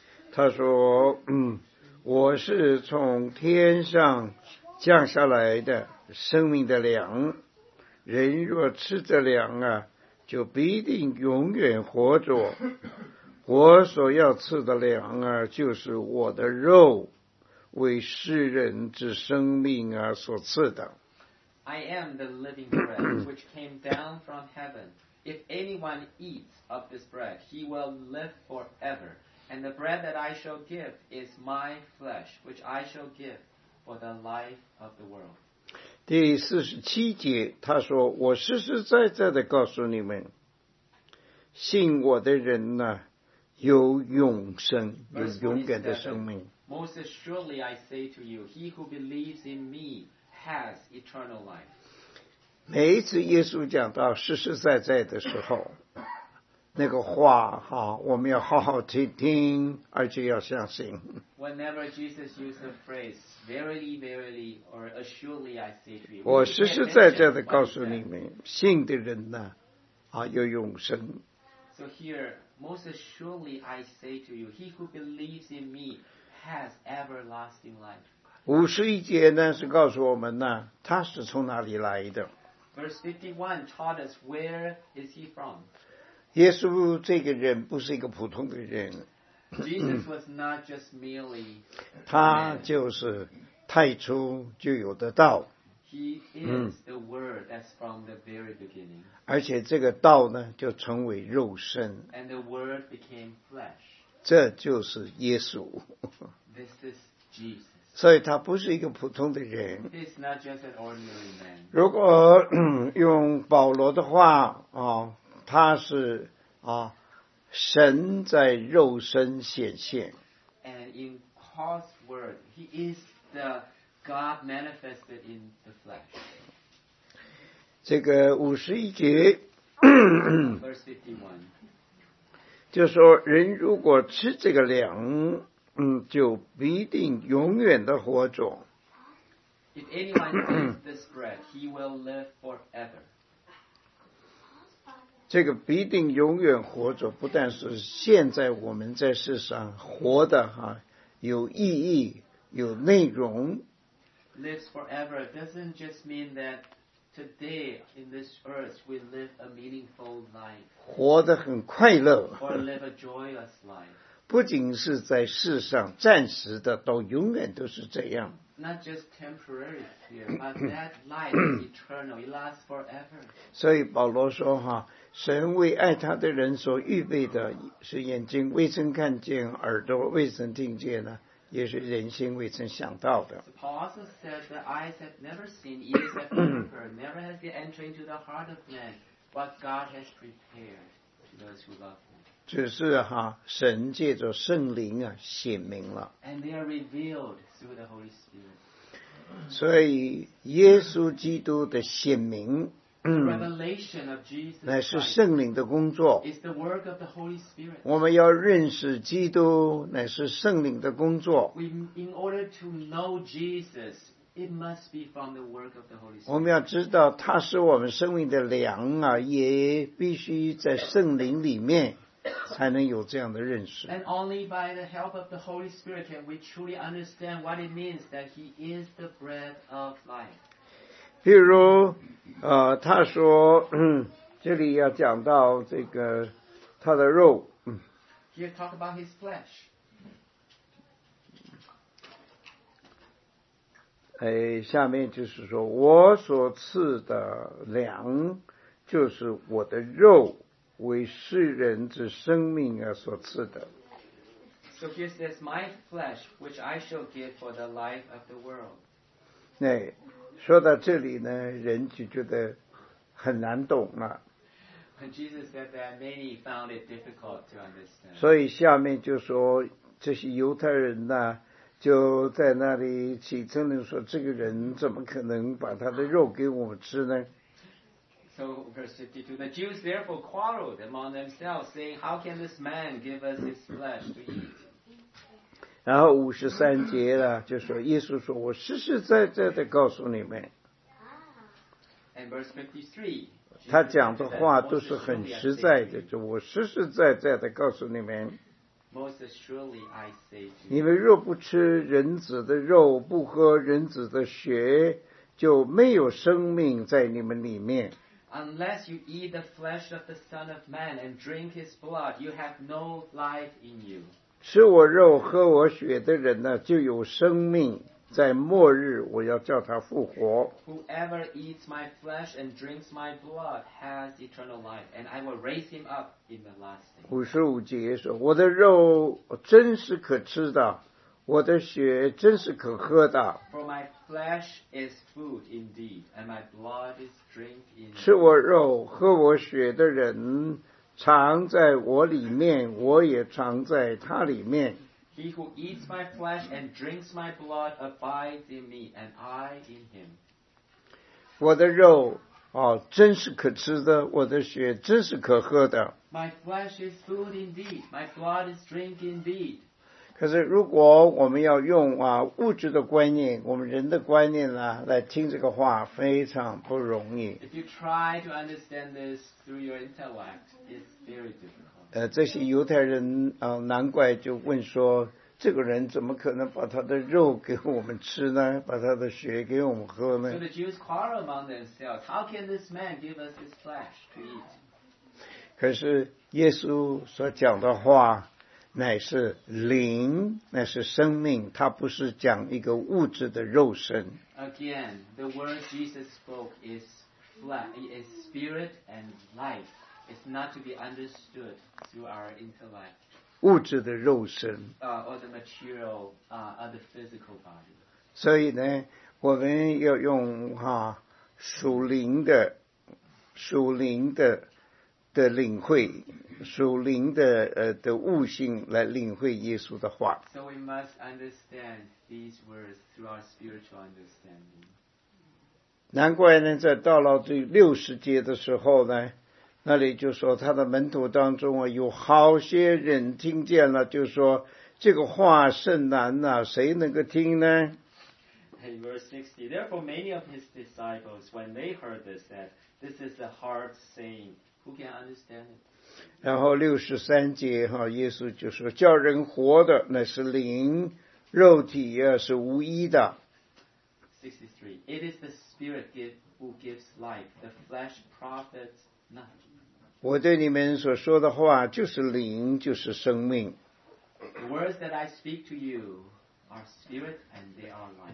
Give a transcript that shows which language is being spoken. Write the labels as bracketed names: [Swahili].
[Chinese] 他说我是从天上降下来的生命的粮，人若吃这粮啊，就必定永远活着。我所要吃的粮啊，就是我的肉，为世人之生命啊所赐的。 [English] I am the living bread which came down from heaven. If anyone eats of this bread, he will live forever. And the bread that I shall give is my flesh, which I shall give for the life of the world. [Chinese] 第四十七节，他说：“我实实在在的告诉你们，信我的人呢，有永生，有永远的生命。” [English] Most surely I say to you, he who believes in me has eternal life. [Chinese] 每一次耶稣讲到实实在在的时候，那个话哈，我们要好好去听，而且要相信。 [English] Whenever Jesus used the phrase, verily, verily, or assuredly I say to you, [Chinese] 我实实在在的告诉你们，信的人呢，啊，有永生。 [English] So here, most surely I say to you, he who believes in me has everlasting life. [Chinese] 五十一节呢，是告诉我们呢，他是从哪里来的。 [English] Verse 51 taught us, where is he from? [Chinese] 耶稣这个人不是一个普通的人。 [English] Jesus was not just merely man. [Chinese] 他就是太初就有的道。 [English] He is the word that's from the very beginning. [Chinese] 而且这个道呢就成为肉身。 [English] And the word became flesh. [Chinese] 这就是耶稣。 [English] This is Jesus. [Chinese] 所以他不是一个普通的人。 [English] He's not just an ordinary man. [Chinese] 如果用保罗的话啊，他是啊。神在肉身显现。 [English] And in Paul's word, he is the God manifested in the flesh. [Chinese] 这个五十一节 [English] ，verse 51， [Chinese] 就说人如果吃这个粮，就必定永远的活着。 [English] If anyone eats this bread, he will live forever. [Chinese] 这个必定永远活着，不但是现在我们在世上活的哈、啊，有意义，有内容。 [English] Lives forever doesn't just mean that today in this earth we live a meaningful life. [Chinese] 活得很快乐。 [English] Or live a joyous life. [Chinese] 不仅是在世上暂时的，到永远都是这样。 [English] Not just temporary here, but that life is eternal. It lasts forever. [Chinese] 所以保罗说哈。神为爱他的人所预备的是眼睛未曾看见耳朵未曾听见呢，也是人心未曾想到的。 [English] So、Paul also said the eyes have never seen, ears have never heard, never has been entered into the heart of man what God has prepared to those who love him. [Chinese] 只是、啊、神借着圣灵、啊、显明了。 [English] And they are revealed through the Holy Spirit. [Chinese] 所以耶稣基督的显明 [English] Revelation of Jesus Christ [Chinese] 乃是圣灵的工作 [English] is the work of the Holy Spirit. [Chinese] 我们要认识基督乃是圣灵的工作 [English] In order to know Jesus it must be from the work of the Holy Spirit. [Chinese] 我们要知道他是我们生命的粮啊，也必须在圣灵里面才能有这样的认识 [English] And only by the help of the Holy Spirit can we truly understand what it means that he is the bread of life. [Chinese] 比如他说这里要讲到这个他的肉 [English] Here talk about his flesh [Chinese] 哎，下面就是说我所赐的粮就是我的肉为世人之生命而所赐的 [English] So here says my flesh which I shall give for the life of the world [Chinese] 那、哎说到这里呢，人就觉得很难懂了。 [English] When Jesus said that, many found it difficult to understand. [Chinese] 所以下面就说这些犹太人呢，就在那里起争论说，这个人怎么可能把他的肉给我们吃呢 [English] ？So verse 52, the Jews therefore quarreled among themselves, saying, "How can this man give us his flesh to eat?" [Chinese] 然后五十三节呢，就说耶稣说我实实在在的告诉你们。 [English] And verse 53, [Chinese] 他讲的话都是很实在的，就我实实在在的告诉你们。 [English] Most surely I say to you, [Chinese] 你们若不吃人子的肉，不喝人子的血，就没有生命在你们里面。 [English] Unless you eat the flesh of the Son of Man and drink his blood, you have no life in you. [Chinese] 吃我肉喝我血的人呢就有生命在末日我要叫他复活。 [English] Whoever eats my flesh and drinks my blood has eternal life, and I will raise him up in the last day. [Chinese] 55节说，我的肉真是可吃的，我的血真是可喝的。 [English] For my flesh is food indeed, and my blood is drink indeed. [Chinese] 吃我肉喝我血的人藏在我里面，我也藏在他里面。 [English] He who eats my flesh and drinks my blood abides in me, and I in him. [Chinese] 我的肉哦，真是可吃的，我的血真是可喝的。 [English] My flesh is food indeed, my blood is drink indeed. [Chinese] 可是如果我们要用啊物质的观念，我们人的观念呢，来听这个话，非常不容易。 [English] If you try to understand this through your intellect, it's very difficult. [Chinese] 这些犹太人啊、难怪就问说，这个人怎么可能把他的肉给我们吃呢？把他的血给我们喝呢？ [English] So the Jews quarrel among themselves. How can this man give us his flesh to eat? [Chinese] 可是耶稣所讲的话乃是灵，乃是生命，他不是讲一个物质的肉身。 [English] Again, the word Jesus spoke is flesh, is spirit and life. It's not to be understood through our intellect. [Chinese] 物质的肉身。 [English] Or the material, or the physical body. [Chinese] 所以呢，我们要用哈属灵的、属灵的的领会、属灵的的悟性来领会耶稣的话。 [English] So we must understand these words through our spiritual understanding. [Chinese] 难怪呢，在到了第六十节的时候呢。那里就说他的门徒当中啊，有好些人听见了，就说这个话甚难呐、啊，谁能够听呢 [English] ？Hey, verse 60. Therefore, many of his disciples, when they heard this, said, "This is a hard saying. Who can understand it?" [Chinese] 然后63节哈、啊，耶稣就说，叫人活的乃是灵，肉体啊是无益的。 [English] 63. It is the spirit who gives life. The flesh profits nothing. [Chinese] 我对你们所说的话就是灵，就是生命。 [English] The words that I speak to you are spirit and they are life.